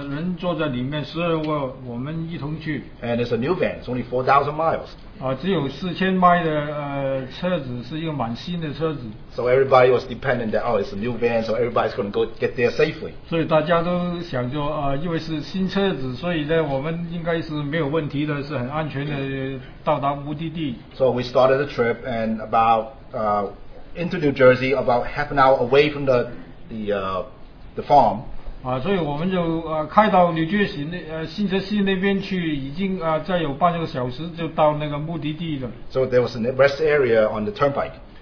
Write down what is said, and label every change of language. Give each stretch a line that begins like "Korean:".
Chinese: 我的车子，就是连驾驶的人坐在里面，12位我们一同去。
English: And it's a new van, it's only 4,000 miles.
Chinese: 只有4000迈的车子是一个蛮新的车子。
English: So everybody was dependent that, oh, it's a new van, so everybody's going to go get there safely.
Chinese: 所以大家都想着，因为是新车子，所以呢，我们应该是没有问题的，是很安全的到达目的地。
English: So we started the trip and about into New Jersey, about half an hour away from the farm.
Chinese: 所以我们就开到新泽西那边去，已经再有半个小时就到那个目的地了。
English: So there was a rest area on the turnpike.